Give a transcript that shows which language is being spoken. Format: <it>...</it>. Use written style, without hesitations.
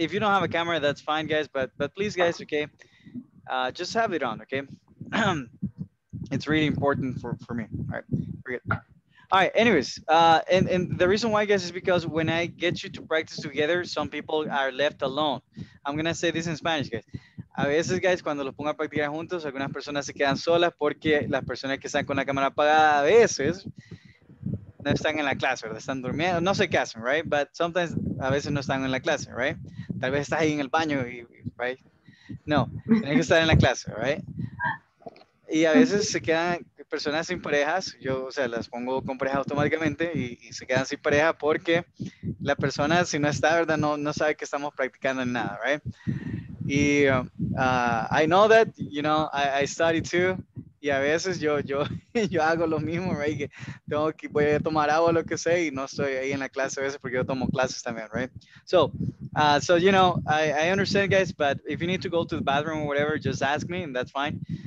<en>If you don't have a camera, that's fine, guys. But please, guys, okay, just have it on, okay? It's really important for me. All right, forget. All right, anyways, and the reason why, guys, is because when I get you to practice together, some people are left alone. I'm going to say this in Spanish, guys.</en> <es>A veces, guys, cuando los pongo a practicar juntos, algunas personas se quedan solas porque las personas que están con la cámara apagada a veces no están en la clase, ¿verdad? Están durmiendo, no sé qué hacen, right?</es> <en>But sometimes,</en> <es>a veces no están en la clase, right? Tal vez estás ahí en el baño, y, right? No, tienes que estar en la clase, right? Y a veces se quedan personas sin parejas, yo, o sea, las pongo con pareja automáticamente y se quedan sin pareja porque la persona, si no está, ¿verdad? No sabe que estamos practicando en nada, right?</es> <en>Y I know that, you know, I study too.</en> <es>Y a veces yo hago lo mismo, right? Voy a tomar agua, lo que sea, y no estoy ahí en la clase a veces porque yo tomo clases también, right?</es> <en>So you know, I understand, guys, but if you need to go to the bathroom or whatever, just ask me, and that's fine.</en>